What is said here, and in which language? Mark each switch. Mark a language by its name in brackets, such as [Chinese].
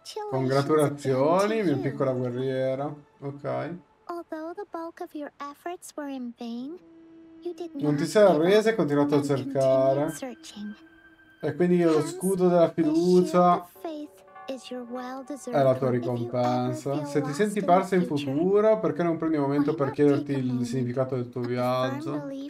[Italian] Congratulazioni, mia piccola guerriera. Ok. [English] Although the bulk of your efforts were in vain, you did not. [Italian] Non ti sei arresa e hai continuato a cercare. E quindi lo scudo della fiducia è la tua ricompensa. Se ti senti persa in futuro, perché non prendi un momento per chiederti il significato del tuo viaggio?